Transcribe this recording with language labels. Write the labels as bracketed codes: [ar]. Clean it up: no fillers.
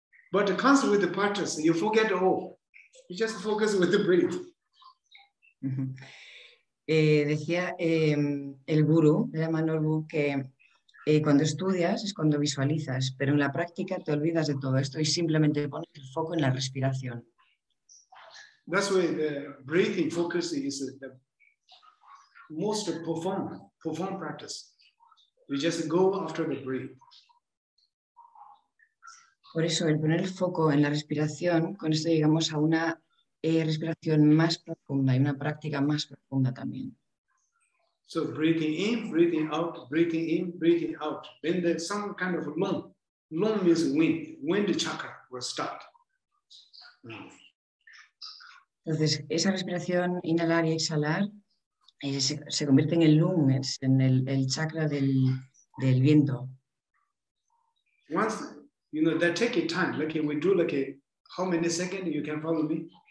[en] But it comes with the practice, you forget all. You just focus with the breath. [es] Decía el guru, Lama Norbu, que cuando estudias es cuando visualizas, pero en la práctica te olvidas de todo esto y simplemente pones el foco en la respiración. [en] That's why the breathing focus is the most profound practice. We just go after the breath. [es] Por eso, el poner el foco en la respiración, con esto llegamos a una respiración más profunda y una práctica más profunda también. [en] So breathing in, breathing out, breathing in, breathing out. Then there's some kind of lung. Lung means wind. Wind chakra will start. [es] Entonces, esa respiración inhalar y exhalar se convierte en el lung, en el chakra del viento. [en] Once, you know, that take a time. Like we do, like a, how many seconds you can follow me?